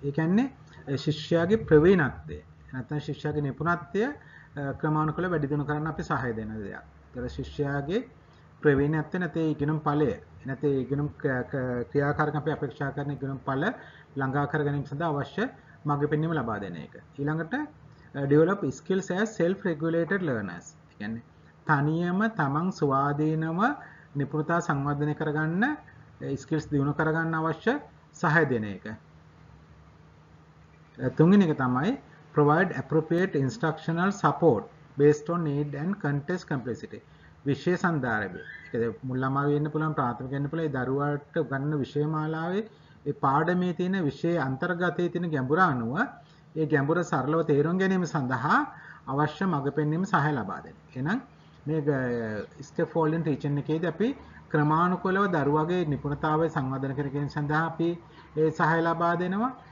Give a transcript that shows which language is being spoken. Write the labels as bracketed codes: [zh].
[si] ඒ කියන්නේ ශිෂ්‍යයාගේ ප්‍රවීණත්වය නැත්නම් ශිෂ්‍යයාගේ නිපුණත්වය ක්‍රමානුකූලව වැඩි දියුණු කරන්න අපි සහාය දෙන දෙයක්. ඒතර ශිෂ්‍යයාගේ ප්‍රවීණත්වය නැත්නම් ඉගෙනුම් ඵලය නැත්නම් ඉගෙනුම් ක්‍රියාකාරකම් අපි අපේක්ෂා කරන ඉගෙනුම් ඵල ළඟා කර ගැනීම සඳහා අවශ්‍ය මඟ පෙන්වීම ලබා දෙන එක. ඊළඟට [en] develop skills as self regulated learners. [si] ඒ කියන්නේ තනියම තමන් ස්වාධීනව නිපුණතා සංවර්ධනය කරගන්න skills දිනු කරගන්න අවශ්‍ය සහාය දෙන එක. තුන්වෙනි එක තමයි [en] provide appropriate instructional support based on need and context complexity. [si] විෂය සඳහාරේ. ඒ කියන්නේ මුල්මාව වෙන්න පුළුවන් ප්‍රාථමික වෙන්න පුළුවන් ඒ දරුවාට ගන්න විෂය මාලාවේ ඒ පාඩමේ තියෙන විෂය අන්තර්ගතයේ තියෙන ගැඹුර අනුව ඒ ගැඹුර සරලව තේරුම් ගැනීම සඳහා අවශ්‍ය මඟ පෙන්වීම සහාය ලබා දෙන. එහෙනම් මේ SCAFFOLDING teaching එකේදී අපි ක්‍රමානුකූලව දරුවාගේ නිපුණතාවය සංවර්ධනය කර ගැනීම සඳහා අපි ඒ සහාය ලබා දෙනවා.